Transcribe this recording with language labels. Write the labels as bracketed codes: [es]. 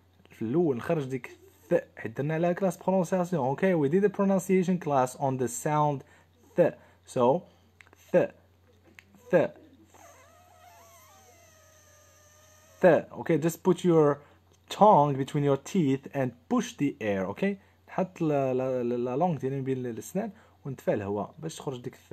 [ar] في الاول نخرج ديك ث حيت درنا عليها كلاس برونونسياسيون. [en] Okay, we did a pronunciation class on the sound ث. So ث ث ث. Okay, just put your tongue between your teeth and push the air. [ar] Okay, حط لا لونغ ديالي بين الاسنان ونتفع الهواء باش تخرج ديك الث.